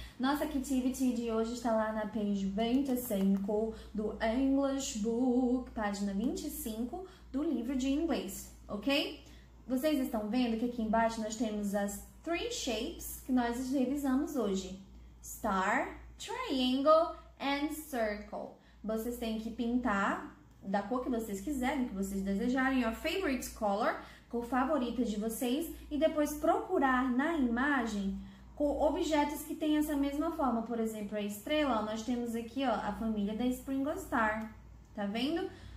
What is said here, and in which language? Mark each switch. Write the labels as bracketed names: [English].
[Portuguese] Nossa activity de hoje está lá na page 25 do English Book, página 25 do livro de inglês, ok? Vocês estão vendo que aqui embaixo nós temos as [English] three shapes [Portuguese] que nós revisamos hoje. [English] Star, triangle and circle. [Portuguese] Vocês têm que pintar da cor que vocês quiserem, que vocês desejarem, [English] your favorite color, [Portuguese] cor favorita de vocês, e depois procurar na imagem com objetos que têm essa mesma forma. Por exemplo, a estrela, nós temos aqui, ó, a família da Springle Star, tá vendo?